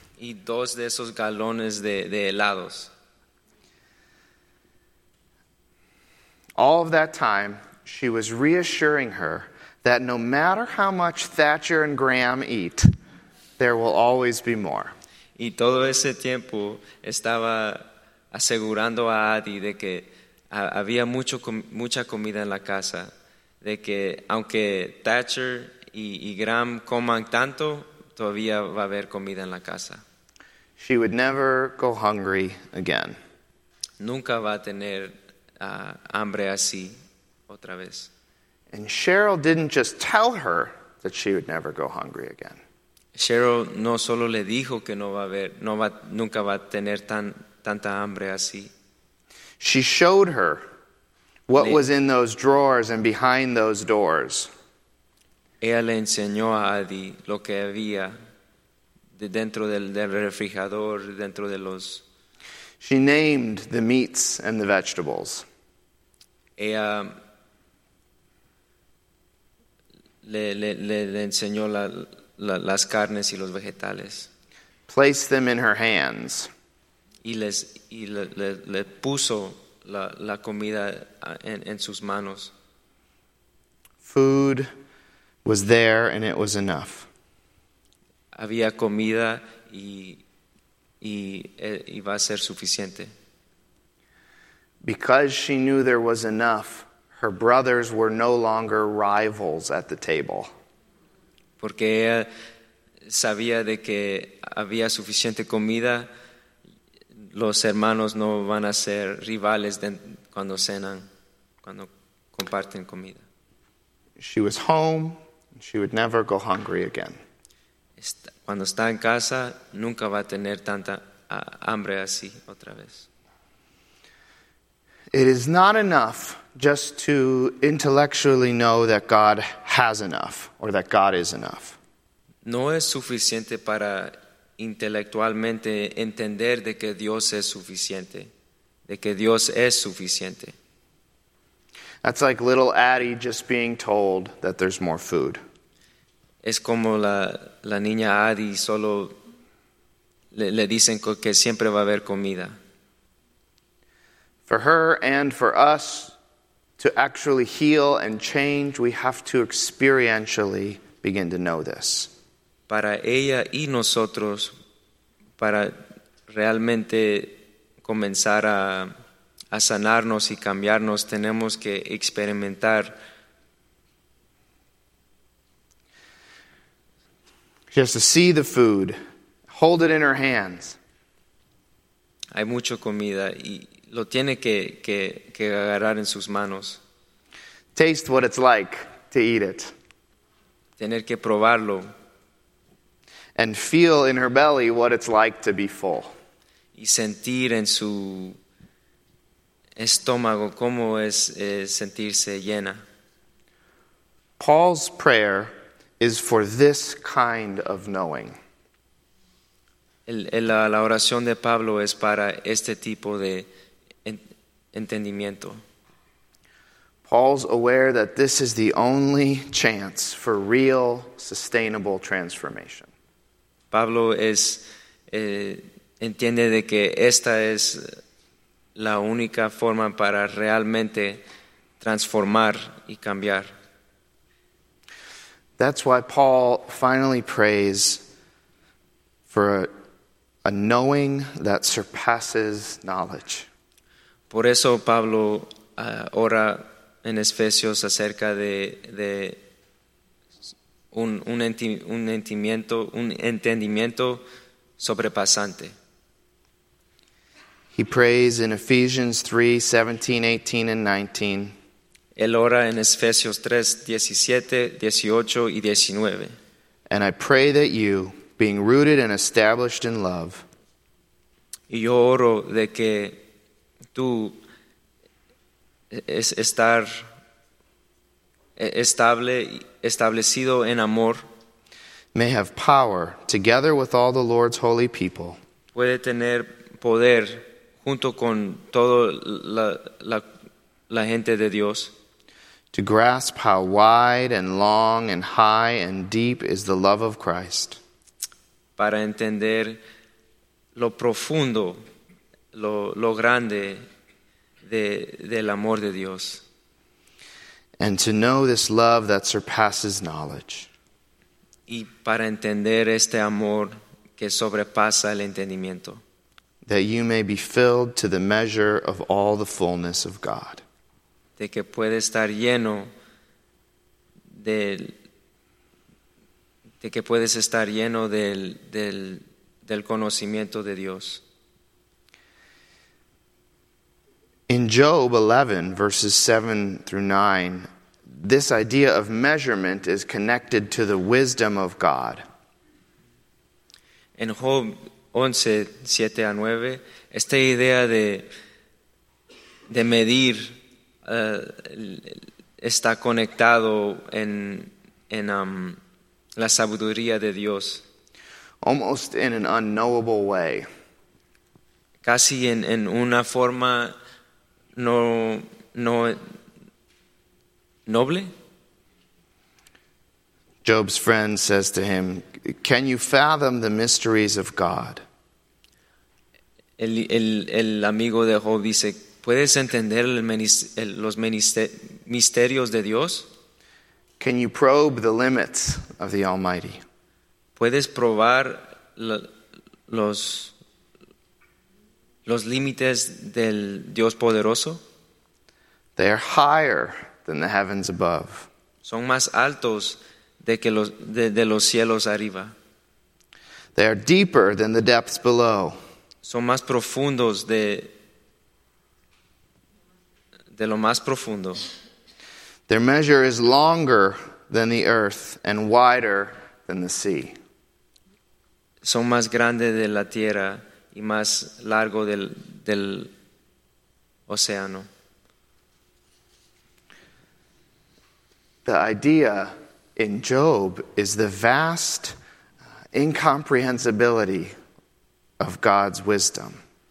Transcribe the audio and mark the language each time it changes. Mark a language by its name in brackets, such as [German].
[Spanish] Y 2 de esos galones de helados. [English] All of that time, she was reassuring her that no matter how much Thatcher and Graham eat, there will always be more. [Spanish] Y todo ese tiempo estaba asegurando a Addie de que había mucha comida en la casa, de que aunque Thatcher y Graham coman tanto, todavía va a haber comida en la casa. [English] She would never go hungry again. [Spanish] Nunca va a tener hambre así otra vez. [English] And Cheryl didn't just tell her that she would never go hungry again. [Spanish] Cheryl no solo le dijo que nunca va a tener tanta hambre así. [English] She showed her what was in those drawers and behind those doors. [Spanish] Ella le enseñó a Addie lo que había de dentro del refrigerador, dentro de los. [English] She named the meats and the vegetables. [Spanish] Ella le enseñó las carnes y los vegetales. [English] Placed them in her hands. [Spanish] Y le puso la comida en sus manos. [English] Food was there and it was enough. [Spanish] Había comida y va a ser suficiente. [English] Because she knew there was enough, her brothers were no longer rivals at the table. [Spanish] Porque ella sabía de que había suficiente comida, los hermanos no van a ser rivales cuando cenan, cuando comparten comida. [English] She was home, and she would never go hungry again. [Spanish] Cuando está en casa, nunca va a tener tanta hambre así otra vez. [English] It is not enough just to intellectually know that God has enough or that God is enough. [Spanish] No es suficiente para intelectualmente entender de que Dios es suficiente, de que Dios es suficiente. [English] That's like little Addie just being told that there's more food. [Spanish] Es como la niña Addie solo le dicen que siempre va a haber comida. [English] For her and for us to actually heal and change, we have to experientially begin to know this. [Spanish] Para ella y nosotros, para realmente comenzar a a sanarnos y cambiarnos, tenemos que experimentar. [English] She has to see the food, hold it in her hands. [Spanish] Hay mucha comida y lo tiene que agarrar en sus manos. [English] Taste what it's like to eat it. [Spanish] Tener que probarlo. [English] And feel in her belly what it's like to be full. [Spanish] Y sentir en su estómago cómo es sentirse llena. [English] Paul's prayer is for this kind of knowing. [Spanish] La oración de Pablo es para este tipo de entendimiento. [English] Paul's aware that this is the only chance for real, sustainable transformation. [Spanish] Pablo es entiende de que esta es la única forma para realmente transformar y cambiar. [English] That's why Paul finally prays for a knowing that surpasses knowledge. [Spanish] Por eso Pablo ora en Efesios acerca de un entendimiento sobrepasante. [English] He prays in Ephesians 3, 17, 18, and 19. [Spanish] Él ora en Efesios 3, 17, 18, y 19. [English] And I pray that you, being rooted and established in love, [Spanish] y yo oro de que tú es estar estable, establecido en amor, [English] may have power together with all the Lord's holy people, [Spanish] puede tener poder junto con toda la gente de Dios, [English] to grasp how wide and long and high and deep is the love of Christ, [Spanish] para entender lo profundo, lo grande del amor de Dios. [English] And to know this love that surpasses knowledge. [Spanish] Y para entender este amor que sobrepasa el entendimiento. [English] That you may be filled to the measure of all the fullness of God. [Spanish] De que puede estar lleno de que puedes estar lleno del conocimiento de Dios. [English] In Job 11, verses 7 through 9, this idea of measurement is connected to the wisdom of God. [Spanish] En Job 11, 7 a 9, esta idea de medir está conectado en la sabiduría de Dios. [English] Almost in an unknowable way. [Spanish] Casi en una forma no noble. [English] Job's friend says to him, "Can you fathom the mysteries of God?" [Spanish] El amigo de Job dice, ¿puedes entender los misterios de Dios? [English] Can you probe the limits of the Almighty? [Spanish] ¿Puedes probar los límites del Dios poderoso? [English] They are higher than the heavens above. [Spanish] Son más altos de los cielos arriba. [English] They are deeper than the depths below. [Spanish] Son más profundos de lo más profundo. [English] Their measure is longer than the earth and wider than the sea. [Spanish] Son más grandes de la tierra y más largo del océano. [English] The idea in Job is the vast incomprehensibility of God's wisdom.